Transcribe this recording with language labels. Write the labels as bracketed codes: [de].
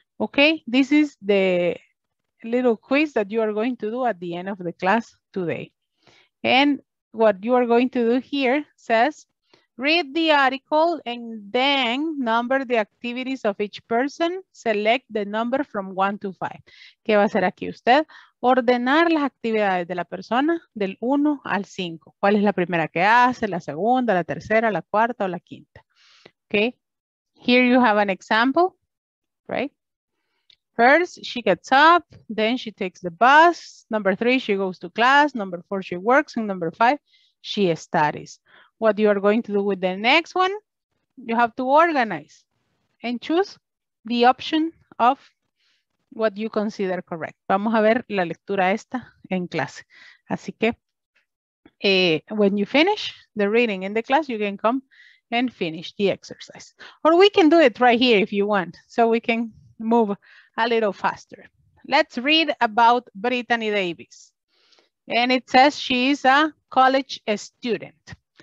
[en] Okay, this is the little quiz that you are going to do at the end of the class today. And what you are going to do here says, read the article and then number the activities of each person, select the number from 1 to 5. [es] ¿Qué va a hacer aquí usted? Ordenar las actividades de la persona del 1 al 5. ¿Cuál es la primera que hace? ¿La segunda, la tercera, la cuarta o la quinta? [en] Okay, here you have an example, right? First, she gets up, then she takes the bus. Number 3, she goes to class. Number 4, she works. And number 5, she studies. What you are going to do with the next one, you have to organize and choose the option of what you consider correct. [es] Vamos a ver la lectura esta en clase. Así que, [en] when you finish the reading in the class, you can come and finish the exercise. Or we can do it right here if you want, so we can move a little faster. Let's read about Brittany Davis. And it says she is a college student.